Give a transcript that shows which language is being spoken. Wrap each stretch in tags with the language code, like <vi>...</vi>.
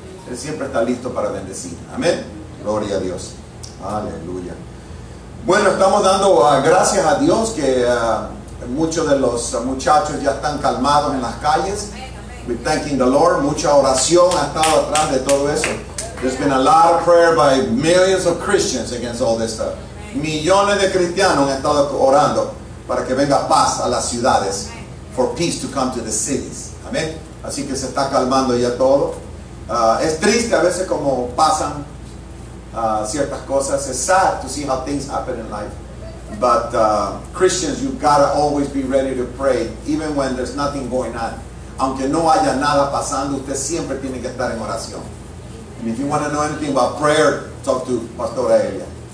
<es>Él siempre está listo para bendecir. Amen. Gloria a Dios. Aleluya. Bueno, estamos dando gracias a Dios que muchos de los muchachos ya están calmados en las calles.</es> <en>We're thanking the Lord.</en> <es>Mucha oración ha estado atrás de todo eso.</es> <en>There's been a lot of prayer by millions of Christians against all this stuff.</en> <es>Millones de cristianos han estado orando para que venga paz a las ciudades.</es> <en>For peace to come to the cities.</en> <es>Amén. Así que se está calmando ya todo. Es triste a veces como pasan ciertas cosas.</es> <en>It's sad to see how things happen in life. But Christians, you've got to always be ready to pray, even when there's nothing going on.</en> <es>Aunque no haya nada pasando, usted siempre tiene que estar en oración.</es> <en>And if you want to know anything about prayer, talk to Pastora Elia.</en>